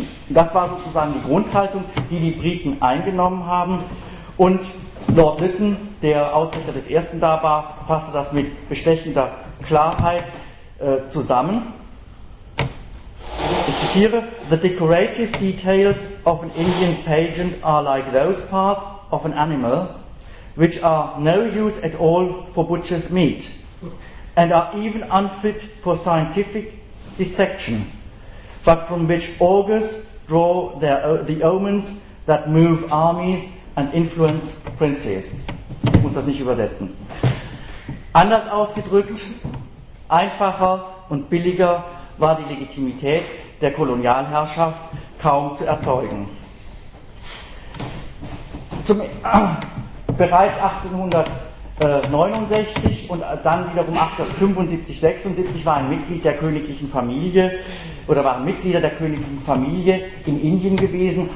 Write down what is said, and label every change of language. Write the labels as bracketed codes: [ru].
[de] Das war sozusagen die Grundhaltung, die die Briten eingenommen haben. Und Lord Lytton, der Ausrichter des ersten Darbar, fasste das mit bestechender Klarheit zusammen. Ich zitiere: [en] "The decorative details of an Indian pageant are like those parts of an animal which are no use at all for butcher's meat and are even unfit for scientific dissection, but from which augurs draw the omens that move armies and influence princes." [de] Ich muss das nicht übersetzen. Anders ausgedrückt, einfacher und billiger war die Legitimität der Kolonialherrschaft kaum zu erzeugen. Bereits 1869 und dann wiederum 1875, 76 waren Mitglieder der königlichen Familie in Indien gewesen.